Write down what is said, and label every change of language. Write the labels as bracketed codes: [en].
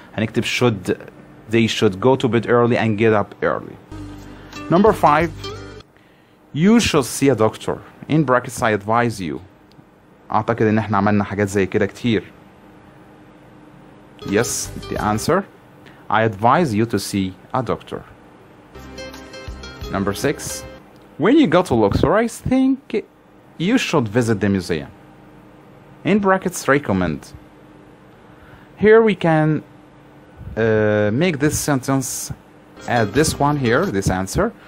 [ar] هنكتب [en] should. They should go to bed early and get up early. Number five. You should see a doctor. In brackets, I advise you. [ar] أعتقد إن إحنا عملنا حاجات زي كده كتير. [en] Yes, the answer. I advise you to see a doctor. Number six. When you go to Luxor, I think you should visit the museum. In brackets, recommend. Here we can make this sentence add this one here, this answer.